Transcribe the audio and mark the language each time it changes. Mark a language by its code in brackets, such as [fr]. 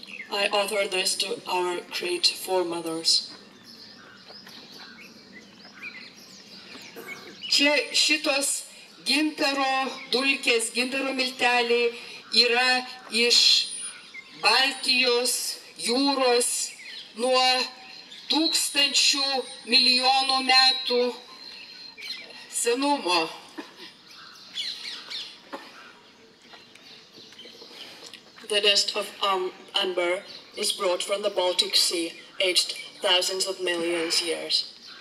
[en] I offer this to our great foremothers. [lt] Čia šitos gintaro dulkės, gintaro milteliai yra iš Baltijos jūros nuo tūkstančių milijonų metų senumo. [en] The dust of amber is brought from the Baltic Sea, aged thousands of millions of years.